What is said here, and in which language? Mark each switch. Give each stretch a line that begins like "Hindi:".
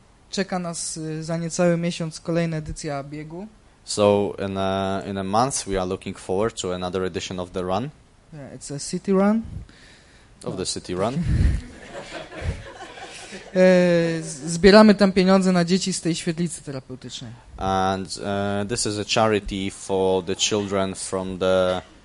Polish: Czeka nas za niecały miesiąc kolejna edycja biegu.
English: So in a month we are looking forward to another edition of the run. Yeah, it's a city run. Of the city run.
Polish: Zbieramy tam pieniądze na dzieci z tej świetlicy terapeutycznej.
English: And this is a charity for the children from the